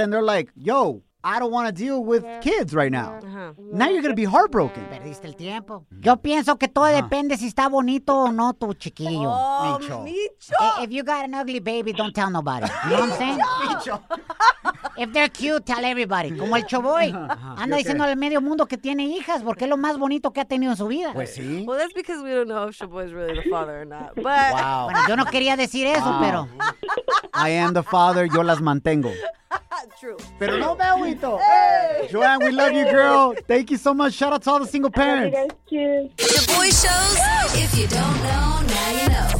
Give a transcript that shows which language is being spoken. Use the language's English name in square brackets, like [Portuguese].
[English] And they're like, yo, I don't want to deal with kids right now. Uh-huh. Now you're going to be heartbroken. [Spanish] Perdiste el tiempo. Yo pienso que todo depende si está bonito o no tu chiquillo. [English] Oh, Micho. Micho. If you got an ugly baby, don't tell nobody. You know what I'm saying? Micho. If they're cute, tell everybody. [Spanish] Como el Choboy. [English] Uh-huh. [Spanish] Anda diciendo al medio mundo que tiene hijas porque es lo más bonito que ha tenido en su vida. Pues sí. [English] Well, that's because we don't know if Choboy is really the father or not. But... Wow. [Spanish] Bueno, yo no quería decir eso, pero... [English] I am the father. [Spanish] Yo las mantengo. [English] True. [Spanish] Pero no, Bellito. [English] Hey. Joanne, we love you, girl. Thank you so much. Shout out to all the single parents. Thank you. The boy shows. If you don't know, now you know.